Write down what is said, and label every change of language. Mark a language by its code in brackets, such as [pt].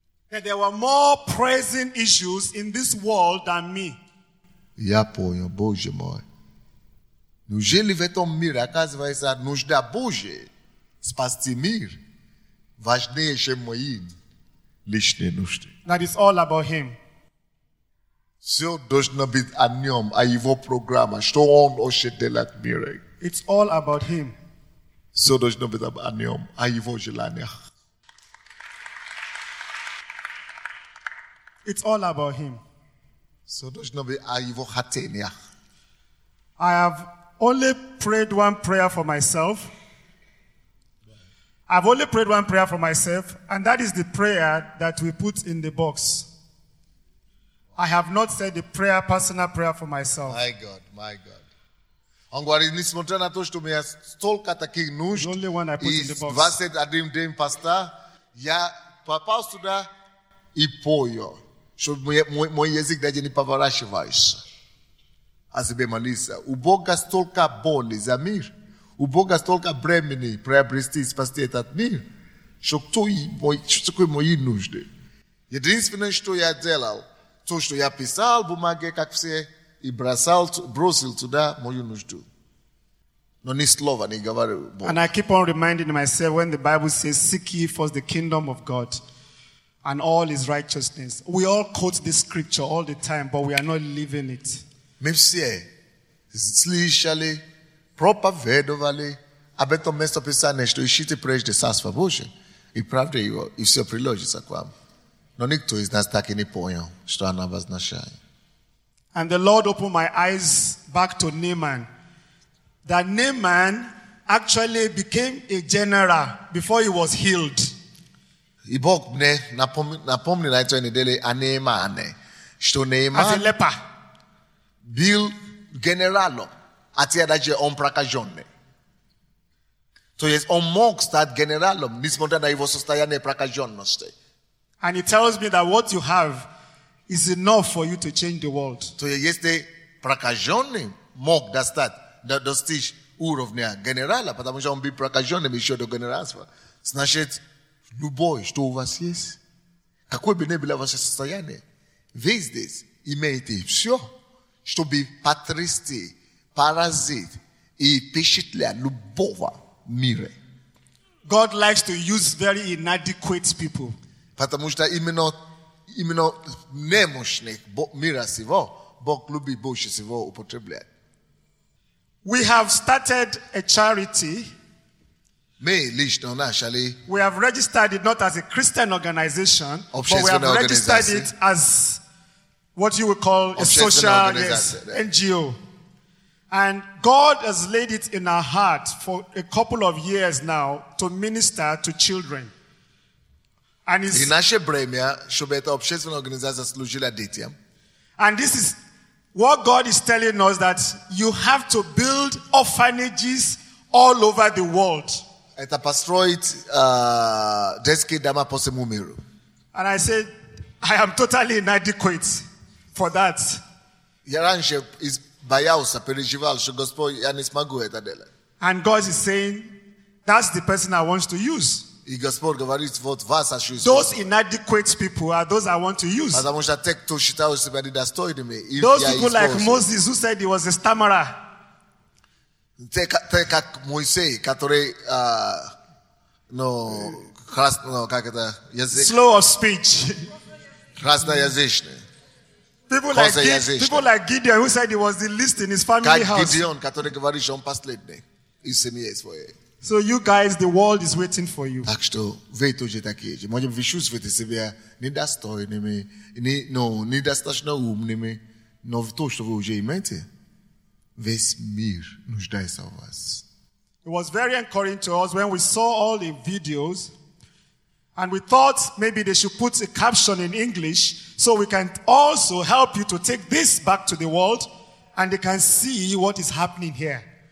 [en] That there were more pressing issues in this world than me. [ru] Я понял, Боже мой. Неужели в этом мире оказывается нужда Божья спасти мир важнее, чем мои личные нужды? [en] That is all about him. [ru] Все должно быть о нем, о его программе, что он хочет делать в мире. [en] It's all about him. [ru] Все должно быть о нем, о его желаниях. [en] It's all about him. [ru] Все должно быть о его хотениях. [en] I have only prayed one prayer for myself. I've only prayed one prayer for myself, and that is the prayer that we put in the box. I have not said a prayer, personal prayer for myself. My God, my God. [ru] Он говорит, несмотря на то, что у меня столько таких нужд, [en] the only one I put in the box. [ru] 21 день поста, я попал сюда и пою, чтобы мой язык даже не поворачивался. А себе молиться. У Бога столько боли за мир. У Бога столько бремени приобрести и спасти этот мир. Что такое мои нужды? Единственное, что я делал, то, что я писал в бумаге, как все, и бросил туда мою нужду. Но ни слова не говорил Бог. [en] And I keep on reminding myself when the Bible says, seek ye first the kingdom of God and all his righteousness. We all quote this scripture all the time, but we are not living it. [ru] Мы все слышали, проповедовали об этом местописании, что ищите прежде Царство Божие, и правда его, и все приложится к вам. Но никто из нас так и не понял, что оно обозначает. [en] And the Lord opened my eyes back to Naaman. That Naaman actually became a general before he was healed. [ru] И Бог мне напомнил на этой неделе о Неймане, что Неймане... [en] As a leper. [ru] Бил генералом, а тебя даже он прокаженный. То есть он мог стать генералом, несмотря на его состояние прокаженности. [en] And he tells me that what you have is enough for you to change the world. [ru] То есть если прокаженный мог достичь уровня генерала, потому что он был прокаженным еще до генералства, значит, любой, что у вас есть, какое бы ни было ваше состояние, везде имеете все, чтобы потрясти, поразить и впечатлять любого мира. [en] God likes to use very inadequate people. [ru] Потому что именно немощных мира всего Бог любит больше всего употреблять. [en] We have started a charity. [ru] Мы лично начали. [en] We have registered it not as a Christian organization, but we have registered it as what you would call a social NGO. And God has laid it in our heart for a couple of years now to minister to children. And it's in [ru] наше бремя, чтобы эта общественная организация служила детям. [en] And this is what God is telling us, that you have to build orphanages all over the world. [ru] Это построить детские дома по всему миру. [en] And I said, I am totally inadequate for that. [ru] Я раньше боялся, переживал, что Господь, я не смогу это делать. [en] And God is saying, that's the person I want to use. [ru] И Господь говорит, вот вас хочу использовать. [en] Those inadequate people are those I want to use. [ru] Потому что те, кто считал себя недостойными, [en] those people like Moses, who said he was a stammerer. [ru] Те как Моисей, который, ну, красный, ну, как это, язык. [en] Slow of speech. [ru] Красноязычный. [en] People like Gideon, who said he was the least in his family [ru] как [en] house. [ru] Как Гидеон, который говорит, что он последний из семьи своей. [en] So you guys, the world is waiting for you. [ru] Так что вы тоже такие же. Можем вы чувствуете себя недостойными, недостаточно умными, но то, что вы уже имеете, весь мир нуждается в вас. [en] It was very encouraging to us when we saw all the videos and we thought maybe they should put a caption in English so we can also help you to take this back to the world and they can see what is happening here.